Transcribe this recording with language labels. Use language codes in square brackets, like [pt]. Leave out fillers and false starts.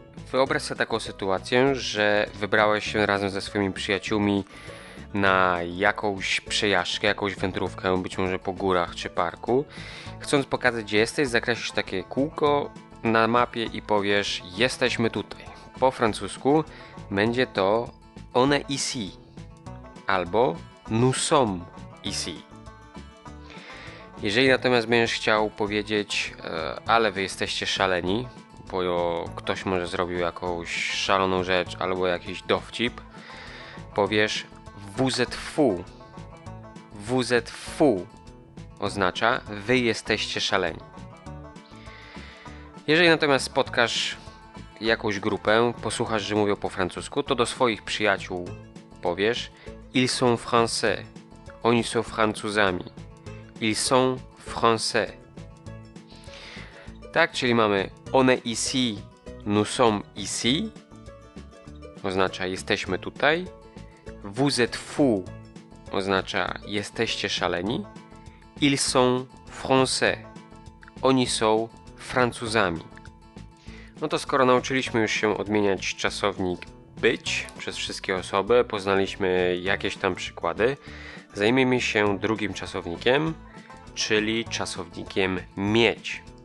[pl] Wyobraź sobie taką sytuację, że wybrałeś się razem ze swoimi przyjaciółmi na jakąś przejażdżkę, jakąś wędrówkę, być może po górach czy parku. Chcąc pokazać, gdzie jesteś, zakreślisz takie kółko na mapie i powiesz jesteśmy tutaj. Po francusku będzie to [fr] on est ici [pl] albo [fr] nous sommes ici. [pl] Jeżeli natomiast będziesz chciał powiedzieć ale wy jesteście szaleni, bo ktoś może zrobił jakąś szaloną rzecz albo jakiś dowcip, powiesz [fr] vous êtes fou. Vous êtes fou [pl] oznacza wy jesteście szaleni. Jeżeli natomiast spotkasz jakąś grupę, posłuchasz, że mówią po francusku, to do swoich przyjaciół powiesz [fr] ils sont français. [pl] Oni są Francuzami. [fr] Ils sont français. [pl] Tak, czyli mamy [fr] on est ici, nous sommes ici. [pl] Oznacza jesteśmy tutaj. [fr] Vous êtes fou [pl] oznacza jesteście szaleni. [fr] Ils sont français. [pl] Oni są Francuzami. No to skoro nauczyliśmy już się odmieniać czasownik być przez wszystkie osoby, poznaliśmy jakieś tam przykłady, zajmiemy się drugim czasownikiem, czyli czasownikiem mieć.